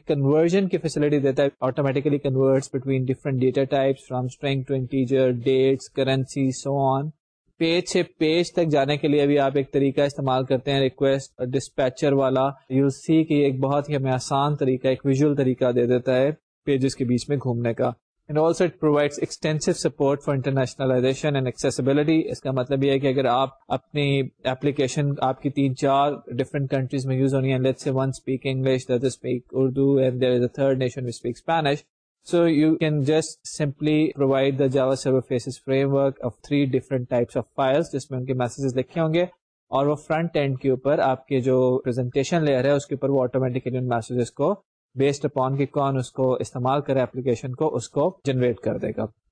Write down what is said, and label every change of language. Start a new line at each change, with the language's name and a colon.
English: conversion
Urdu: کی facility دیتا ہے,
English: Automatically converts between different data types from string to integer, dates, currency, so on.
Urdu: Page سے page تک جانے کے لیے بھی آپ ایک طریقہ استعمال کرتے ہیں ریکویسٹ اور ڈسپیچر والا,
English: you see
Urdu: کہ یہ ایک بہت ہی ہمیں آسان طریقہ, ایک ویژول طریقہ دے دیتا ہے پیجز کے بیچ میں گھومنے کا.
English: And also it provides extensive support for internationalization and accessibility.
Urdu: اس کا مطلب یہ ہے کہ اگر آپ اپنی اپلیکیشن آپ کی تین چار ڈفرنٹ کنٹریز میں یوز ہونی ہے,
English: let's say one speak English, the other speak Urdu, and there is a third nation which speaks Spanish, so you can just simply provide the Java Server Faces framework of three different types of files
Urdu: جس میں ان کے messages لکھے ہوں گے اور وہ front end کے اوپر آپ کے جو پریزنٹیشن لیئر ہے اس کے اوپر وہ آٹومیٹکلی ان میسیجز کو بیسڈ اپون کہ کون اس کو استعمال کرے اپلیکیشن کو اس کو جنریٹ کر دے گا.